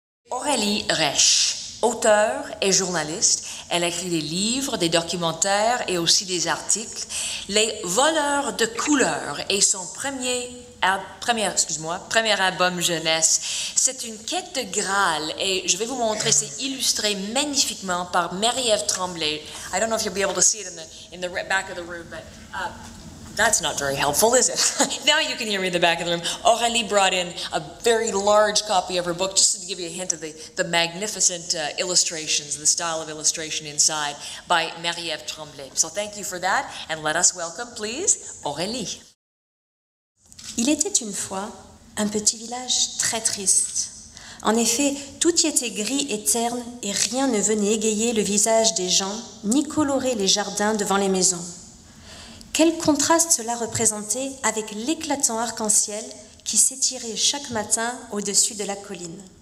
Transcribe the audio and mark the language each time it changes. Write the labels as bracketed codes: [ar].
[fr] Aurélie Resch, auteure et journaliste, elle écrit des livres, des documentaires et aussi des articles. Les voleurs de couleurs et son premier album jeunesse, c'est une quête de Graal et je vais vous montrer, c'est illustré magnifiquement par Marie-Ève Tremblay. [en] I don't know if you'll be able to see it in the back of the room, but that's not very helpful, is it? Now you can hear me in the back of the room. Aurélie brought in a very large copy of her book, just to give you a hint of the magnificent illustrations, the style of illustration inside, by Marie-Ève Tremblay. So thank you for that, and let us welcome, please, Aurélie. [fr] Il était une fois un petit village très triste. En effet, tout y était gris et terne, et rien ne venait égayer le visage des gens, ni colorer les jardins devant les maisons. Quel contraste cela représentait avec l'éclatant arc-en-ciel qui s'étirait chaque matin au-dessus de la colline.